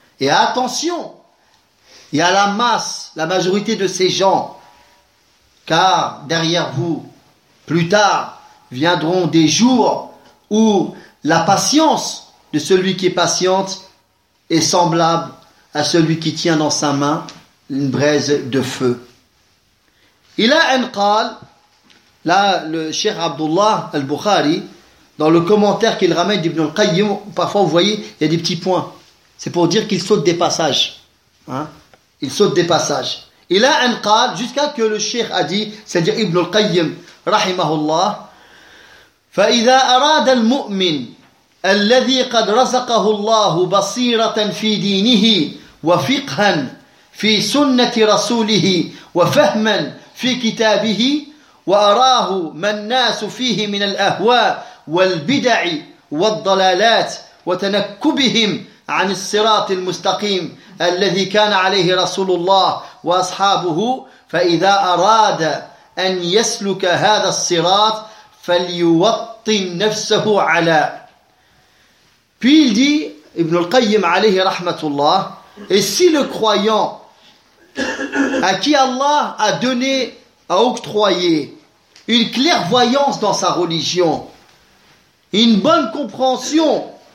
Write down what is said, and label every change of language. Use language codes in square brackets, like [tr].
[fr] Et attention, il y a la masse, la majorité de ces gens, car derrière vous, plus tard, viendront des jours où la patience de celui qui est patiente est semblable à celui qui tient dans sa main une braise de feu. Il a un qal, là le cheikh Abdullah al-Bukhari, dans le commentaire qu'il ramène d'Ibn al-Qayyim, parfois vous voyez, il y a des petits points. C'est pour dire qu'il saute des passages. Hein? Il saute des passages. Il a un qal, jusqu'à ce que le cheikh a dit, c'est-à-dire Ibn al-Qayyim, rahimahullah, [ar] فإذا أراد المؤمن الذي قد رزقه الله بصيرة في دينه وفقها في سنة رسوله وفهما في كتابه وأراه ما الناس فيه من الأهواء والبدع والضلالات وتنكبهم عن الصراط المستقيم الذي كان عليه رسول الله وأصحابه، فإذا أراد أن يسلك هذا الصراط فليوطن نفسه على. [fr] Puis il dit, Ibn al-Qayyim alayhi rahmatullah, et si le croyant à qui Allah a donné, a octroyé une clairvoyance dans sa religion, une bonne compréhension